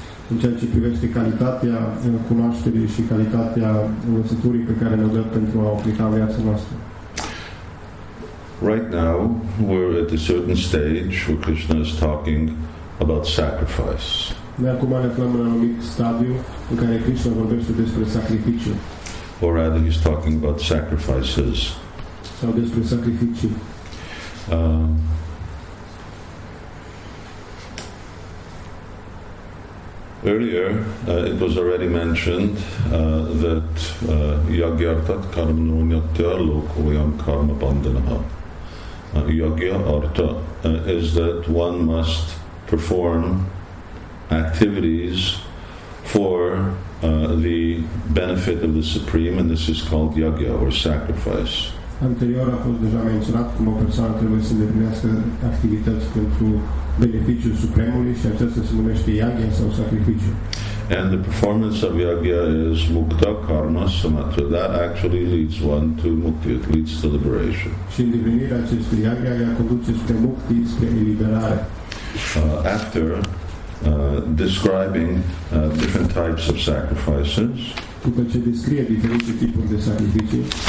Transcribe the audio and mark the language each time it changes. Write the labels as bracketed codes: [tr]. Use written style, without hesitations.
[ro] În ceea ce privește calitatea cunoașterii și calitatea învățăturii pe care ne-o dă pentru a aplica viața noastră. [en] Right now, we're at a certain stage where Krishna is talking about sacrifice. [ro] Acum ne aflăm în anumit stadiu în care Krishna vorbește despre sacrificiu. [en] Or rather, he's talking about sacrifices. [ro] Sau despre sacrificiu. [en] Earlier, it was already mentioned that [sa] yagyartat karmanunyatya lokoyam karma bandhanaha. [en] Yagya arta is that one must perform activities for the benefit of the Supreme, and this is called yagya or sacrifice. [ro] Anterior a fost deja menționat cum o persoană trebuie să îndeplinească activități pentru beneficiul Supremului și acesta se numește yagya sau sacrificiu. [en] And the performance of yagya is [sa] mukta karma samatra. [en] That actually leads one to mukti, it leads to liberation. [ro] Și îndeplinirea acestui yagya ea conduce spre mukti, spre eliberare. [en] After describing different types of sacrifices, [ro] după ce descrie diferite tipuri de sacrificii,